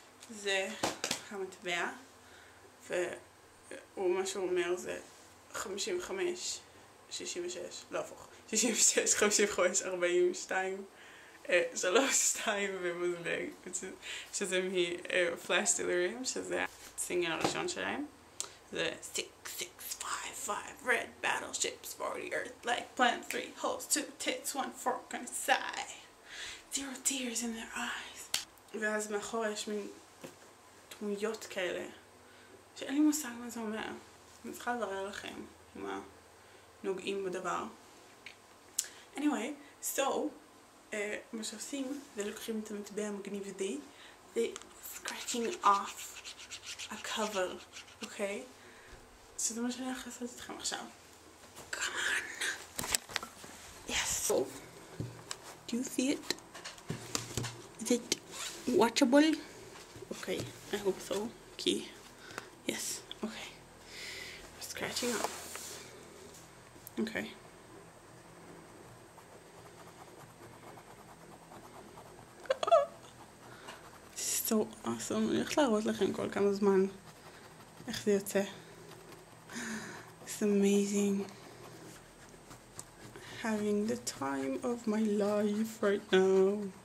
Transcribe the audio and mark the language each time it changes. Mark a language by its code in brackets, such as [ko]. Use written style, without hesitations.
[he] זה המטבע, ומה שהוא אומר זה 55, 66, 52, 3, 2 ומוזבג, שזה מ-Flash Delirium, שזה הסינגל הראשון שלהם. [en] זה 6, 6, 5, 5, Red Battleships for the Earth, like Plan 3, holes, 2 tits, 1 fork on the side, 0 tears in their eyes. [he] ואז מאחור יש מין... תמויות כאלה שאין לי מושג מה זה אומר. אני צריכה לברר לכם עם הנוגעים בדבר. [en] Anyway, so [he] מה שעושים זה לוקחים את המטבע המגניב די, זה [en] scratching off a cover, [he] אוקיי? שזה מה שאני הולכת לעשות אתכם עכשיו. [en] Come on! Yes! Do you see it? Is it watchable? אוקיי, I hope so, [he] כי [en] Yes. Okay. Scratching off. Okay. So awesome. [he] אני הולכת להראות לכם כל כמה זמן איך זה יוצא. [en] It's amazing. Having the time of my life right now.